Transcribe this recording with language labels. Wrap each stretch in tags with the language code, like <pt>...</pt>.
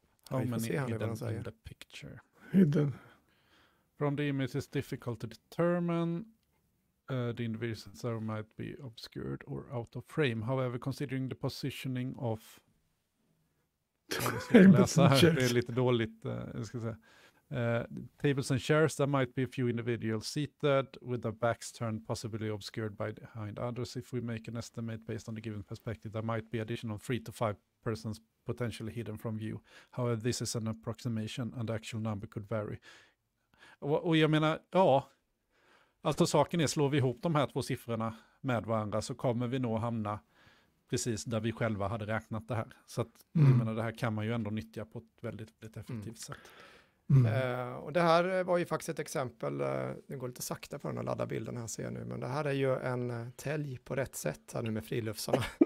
<en>How many hidden in the picture? Hidden. From the image is difficult to determine. The individuals might be obscured or out of frame. However, considering the positioning of...</en> <sv>Det är lite dåligt, jag ska säga.</sv> <en>Tables and chairs, there might be a few individuals seated with their backs turned, possibly obscured by behind others. If we make an estimate based on the given perspective, there might be additional 3 to 5 persons potentially hidden from view. However, this is an approximation and the actual number could vary.</en> <sv>Och jag menar, ja, alltså saken är, slår vi ihop de här två siffrorna med varandra så kommer vi nog hamna precis där vi själva hade räknat det här. Så att, jag menar, det här kan man ju ändå nyttja på ett väldigt, väldigt effektivt sätt. Och det här var ju faktiskt ett exempel, det går lite sakta för att ladda bilden här ser jag nu, men det här är ju en tälj på rätt sätt här nu med friluftsarna.</sv>